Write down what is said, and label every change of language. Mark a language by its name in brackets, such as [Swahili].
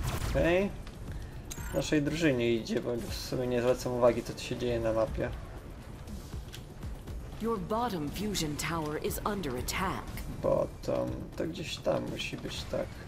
[Polish] Okej. Naszej drużynie idzie, bo w sumie nie zwracam uwagi, co tu się dzieje na mapie. [English] Your bottom fusion tower is under attack. [Polish] Bottom, to gdzieś tam musi być, tak.